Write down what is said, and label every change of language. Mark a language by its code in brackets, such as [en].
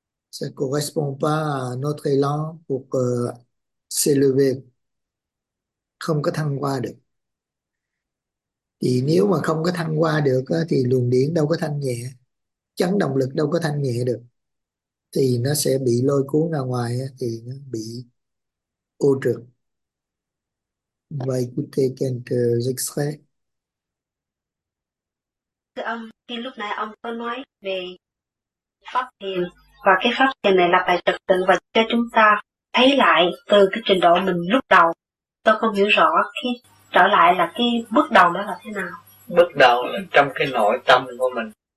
[fr] Ça correspond pas à notre élan pour s'élever. [vi] Không có thăng hoa được. Thì nếu mà không có thăng hoa được thì luồng điển đâu có thanh nhẹ, chấn động lực đâu có thanh nhẹ được, thì nó sẽ bị lôi cuốn ra ngoài, thì nó bị ô trược. Vậy [fr] écoutez quelques extraits. [vi] Thưa ông, thì lúc nãy ông có nói về pháp thiền, và cái pháp thiền này là phải trật tự và cho chúng ta thấy lại từ cái trình độ mình lúc đầu. Tôi không hiểu rõ khi trở lại là cái bước đầu đó là thế nào. Bước đầu là trong cái nội tâm của mình.